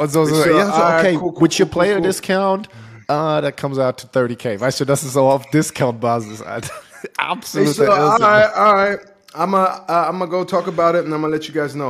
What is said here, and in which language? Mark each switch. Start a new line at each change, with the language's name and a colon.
German: Und
English: so yeah, so, okay, cool, with your player cool. Discount, that comes out to 30k.
German: Weißt du, das ist so auf Discount-Basis, Alter. Absolut. Ich so,
English: all right. I'ma go talk about it and I'ma let you guys know.